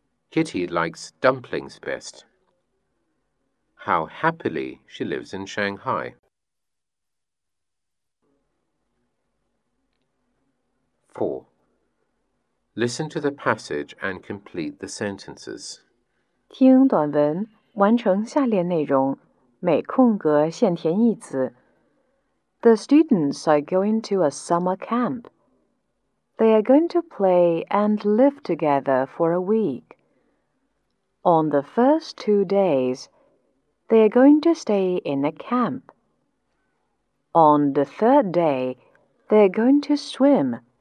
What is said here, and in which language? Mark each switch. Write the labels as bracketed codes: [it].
[en] Kitty likes dumplings best. How happily she lives in Shanghai. 4. Listen to the passage and complete the sentences. [zh] 听短文，完成下列内容，每空格限填一词。 [en] The students are going to a summer camp. They are going to play and live together for a week. On the first 2 days, they are going to stay in a camp. On the third day, they are going to swim.